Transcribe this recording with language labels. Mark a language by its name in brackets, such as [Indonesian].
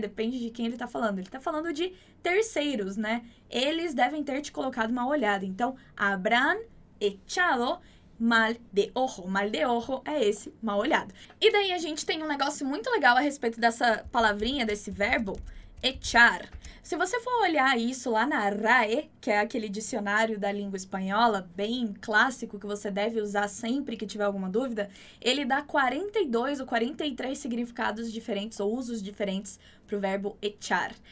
[Portuguese] Depende de quem ele tá falando. Ele tá falando de terceiros, né? Eles devem ter te colocado mal olhado. [Spanish] Então, habrán echado mal de ojo. [Portuguese] Mal de ojo é esse, mal olhado. E daí a gente tem um negócio muito legal a respeito dessa palavrinha, desse verbo, echar. Se você for olhar isso lá na RAE, que é aquele dicionário da língua espanhola, bem clássico, que você deve usar sempre que tiver alguma dúvida, ele dá 42 ou 43 significados diferentes, ou usos diferentes, para o verbo echar.